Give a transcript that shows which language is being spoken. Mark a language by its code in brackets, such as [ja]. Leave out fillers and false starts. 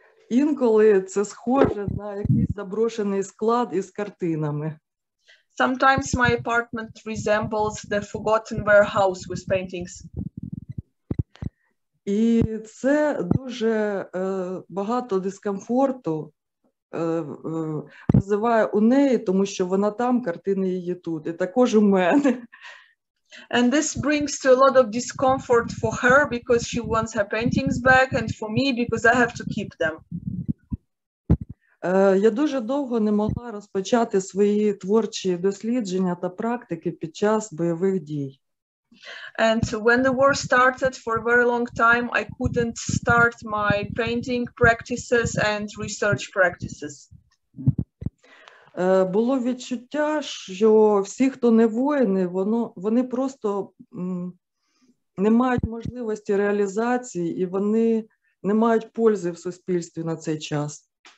[uk] Інколи це схоже на якийсь заброшений склад із картинами. [en] Sometimes my apartment resembles the forgotten warehouse with paintings. [uk] І це дуже багато дискомфорту визиває у неї, тому що вона там, картини її тут, і також у мене. [en] And this brings to a lot of discomfort for her because she wants her paintings back and for me because I have to keep them. [uk] Я дуже довго не могла розпочати свої творчі дослідження та практики під час бойових дій. [en] And when the war started for a very long time, I couldn't start my painting practices and research practices. [uk] Було відчуття, що всі, хто не воїни, вони просто не мають можливості реалізації і вони не мають пользи в суспільстві на цей час.